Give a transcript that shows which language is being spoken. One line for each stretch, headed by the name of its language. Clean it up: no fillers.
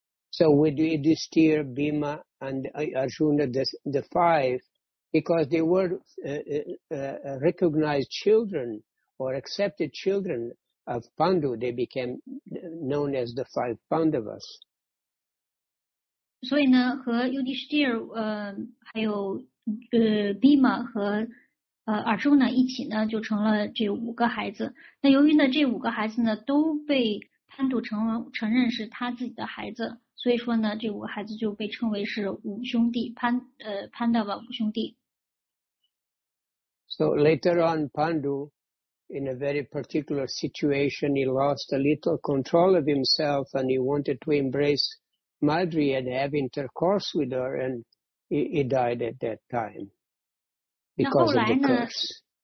English: So with Yudhisthira, Bhima, and Arjuna, the five, because they were recognized children or accepted children of Pandu, they became known as the five Pandavas.
Chinese: 所以呢，和尤迪士蒂尔，还有Bhima和Arjuna一起呢，就成了这五个孩子。那由于呢，这五个孩子呢都被潘度承认是他自己的孩子，所以说呢，这五个孩子就被称为是五兄弟，潘达瓦五兄弟。
English: So later on, Pandu, in a very particular situation, he lost a little control of himself and he wanted to embrace Madri and have intercourse with her, and he died at that time because of the curse.